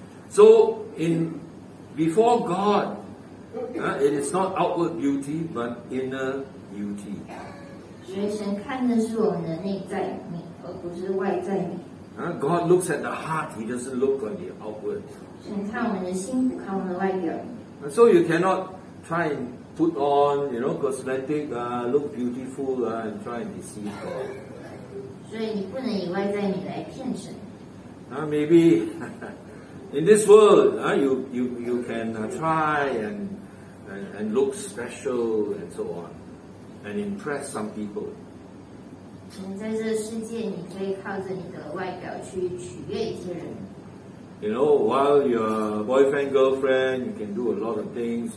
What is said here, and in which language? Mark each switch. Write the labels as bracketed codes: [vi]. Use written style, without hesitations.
[en] So in before God, it is not outward beauty but inner beauty. [zh] 所以神看的是我们的内在美，而不是外在美。 [en] God looks at the heart; He doesn't look on the outward. [zh] 神看我们的心，不看我们的外表。 [en] So you cannot try and put on, you know, cosmetic, look beautiful, and try and deceive God. [zh] 所以你不能以外在你来骗神。 [en] Maybe in this world, you can try and look special and so on, and impress some people. [zh] 在这世界，你可以靠着你的外表去取悦一些人。 [en] You know, while you're boyfriend girlfriend, you can do a lot of things.